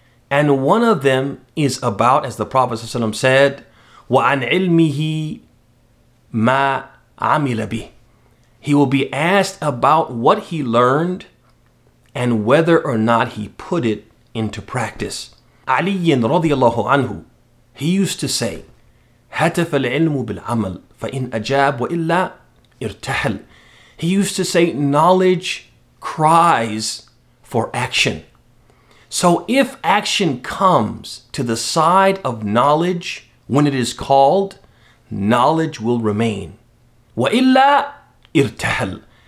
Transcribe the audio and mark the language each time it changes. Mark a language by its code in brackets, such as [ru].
[en] And one of them is about, as the Prophet ﷺ said, [ar] وَعَنْ عِلْمِهِ مَا عَمِلَ بِهِ. [en] He will be asked about what he learned and whether or not he put it into practice. [ar] عَلِيٍ رَضِيَ اللَّهُ عَنْهُ, [en] he used to say, [ar] هَتَفَ الْعِلْمُ بِالْعَمَلِ فَإِنْ أَجَابْ وَإِلَّا إِرْتَحَلْ. [en] He used to say, knowledge cries for action. So if action comes to the side of knowledge when it is called, knowledge will remain. [ar] وَإِلَّا إِرْتَحَلْ.